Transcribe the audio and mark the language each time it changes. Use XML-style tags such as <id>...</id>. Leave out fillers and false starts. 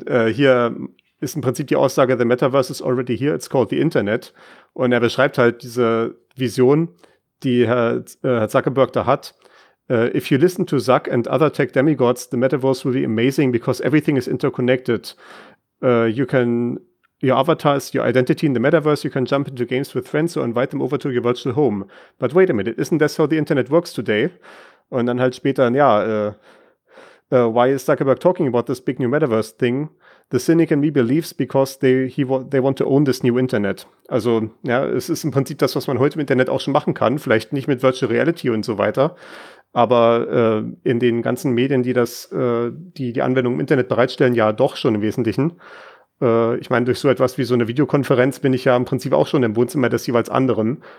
<de>Hier ist im Prinzip die Aussage,</de> <en>the Metaverse is already here, it's called the Internet.</en> <de>Und er beschreibt halt diese Vision, die Herr Zuckerberg da hat.</de> <en>If you listen to Zuck and other tech demigods, the Metaverse will be amazing because everything is interconnected. Your avatar is your identity in the Metaverse. You can jump into games with friends or invite them over to your virtual home. But wait a minute, isn't this how the Internet works today?</en> <de>Und dann halt später,</de> <en>why is Zuckerberg talking about this big new Metaverse thing? The cynic in me believes because they want to own this new Internet.</en> <de>Also, ja, es ist im Prinzip das, was man heute im Internet auch schon machen kann. Vielleicht nicht mit Virtual Reality und so weiter. Aber in den ganzen Medien, die das, die Anwendung im Internet bereitstellen, ja doch schon im Wesentlichen. Ich meine, durch so etwas wie so eine Videokonferenz bin ich ja im Prinzip auch schon im Wohnzimmer des jeweils anderen.</de>